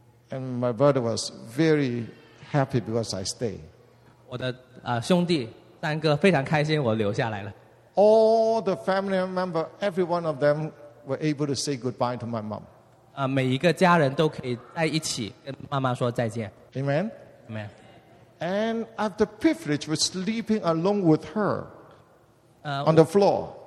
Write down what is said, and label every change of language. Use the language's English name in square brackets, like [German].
[English] And my brother was very happy because I stayed. [Chinese] 我的兄弟三哥非常开心我留下来了. [English] All the family members, every one of them were able to say goodbye to my mom. [Chinese] 每一个家人都可以在一起跟妈妈说再见. [English] Amen. Amen. And I have the privilege of sleeping along with her on the floor.